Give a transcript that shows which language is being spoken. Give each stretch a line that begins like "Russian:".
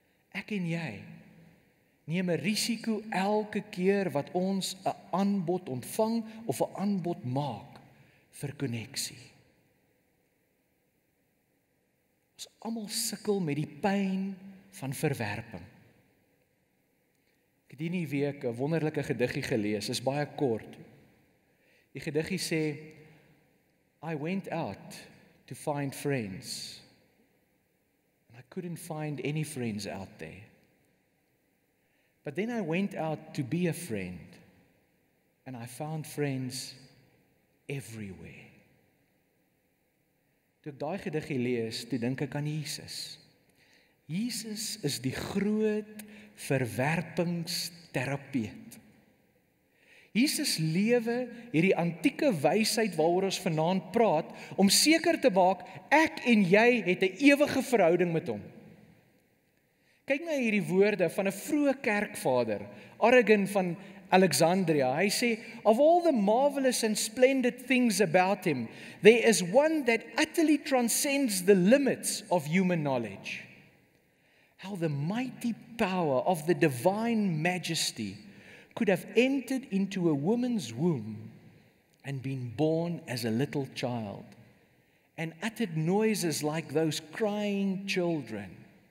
Afrikaans: Ek en jy neem 'n risiko elke keer wat ons 'n aanbod ontvang of 'n aanbod maak vir koneksie. Ons almal sukkel met die pyn van verwerping. Ek het hierdie week 'n wonderlike gediggie gelees, is baie kort. Die gediggie sê,
English: I went out to find friends, and I couldn't find any friends out there. But then I went out to be a friend, and I found friends everywhere.
Afrikaans: Toe ek daai gediggie lees, toe dink ek aan Jesus. Jesus is die groot verwerpingstherapeut. Jesus lewe hierdie antieke wysheid waaroor ons vanaand praat, om seker te maak, ek en jy het 'n ewige verhouding met hom. Kyk na hierdie woorde van 'n vroeë kerkvader, Origen van Alexandria. Hy sê,
English: of all the marvelous and splendid things about him, there is one that utterly transcends the limits of human knowledge. How the mighty power of the divine majesty could have entered into a woman's womb and been born as a little child and uttered noises like those crying children.